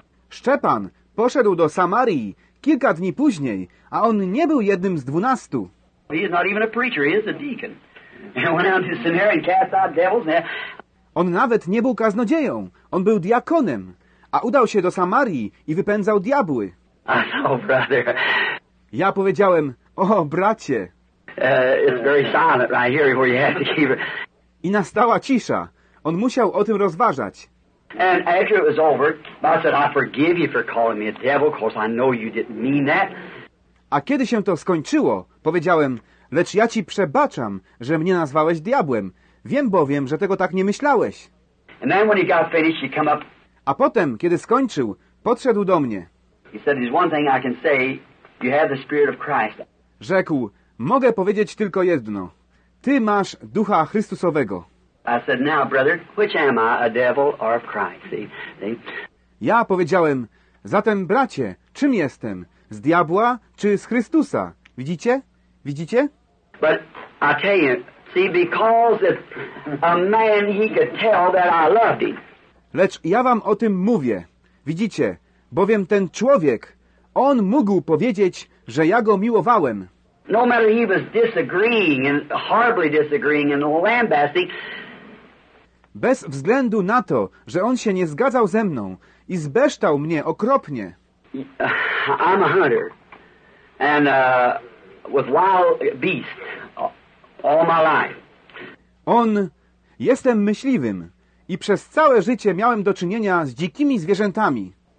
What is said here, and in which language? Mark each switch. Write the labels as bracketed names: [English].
[Polish] Szczepan poszedł do Samarii kilka dni później, a on nie był jednym z 12. [English] He's not even a preacher, he is a deacon. And went out to Samaria and cast out devils. [Polish] On nawet nie był kaznodzieją, on był diakonem, a udał się do Samarii i wypędzał diabły. [English] Oh, brother. [Polish] Ja powiedziałem, o bracie. [English] It's very silent right here where you have to keep it. [Polish] I nastała cisza. On musiał o tym rozważać. [English] And after it was over, I said, I forgive you for calling me a devil, because I know you didn't mean that. [Polish] A kiedy się to skończyło, powiedziałem, lecz ja ci przebaczam, że mnie nazwałeś diabłem. Wiem bowiem, że tego tak nie myślałeś. [English] And then when he got finished, he come up. [Polish] A potem, kiedy skończył, podszedł do mnie. [English] He said, there's one thing I can say, you have the Spirit of Christ. [Polish] Rzekł, mogę powiedzieć tylko jedno. Ty masz Ducha Chrystusowego. [English] I said, now, brother, which am I, a devil or of Christ? See? [Polish] Ja powiedziałem, Zatem, bracie, czym jestem? Z diabła czy z Chrystusa? Widzicie? Widzicie? [English] But I tell you, see, because if a man he could tell that I loved him. [Polish] Lecz ja wam o tym mówię. Widzicie, bowiem ten człowiek, on mógł powiedzieć, że ja go miłowałem. [English] No matter he was disagreeing and horribly disagreeing and lambasting. [Polish] Bez względu na to, że on się nie zgadzał ze mną i zbeształ mnie okropnie. [English] I'm a hunter. And with wild beasts all my life. [Polish] On, jestem myśliwym. I przez całe życie miałem do czynienia z dzikimi zwierzętami.